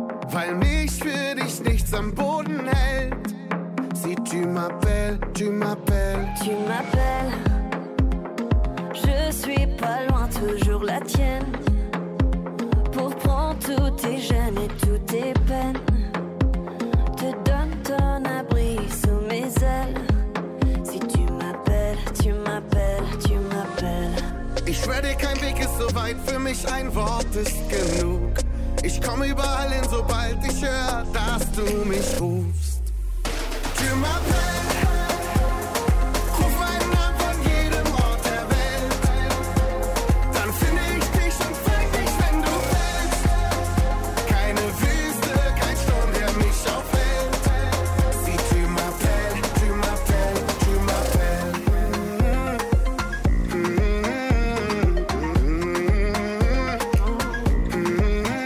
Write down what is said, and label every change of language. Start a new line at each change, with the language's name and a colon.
German: Weil mich für dich nichts am Boden hält.
French: Si tu m'appelles, tu m'appelles. Tu m'appelles. Je suis pas loin, toujours la tienne. Pour prendre tous tes gênes et toutes tes peines. Te donne ton abri sous mes ailes. Si tu m'appelles, tu m'appelles, tu m'appelles.
German: Ich schwör dir, kein Weg ist so weit. Für mich ein Wort ist genug. Ich komm überall hin, sobald ich hör, dass du mich rufst.
French: Tu m'appelles,
German: ruf meinen Namen von jedem Ort der Welt. Dann finde ich dich und zeig dich, wenn du fällst. Keine Wüste, kein Sturm, der mich aufhält. Sieh,
French: tu m'appelles, tu m'appelles, tu m'appelles.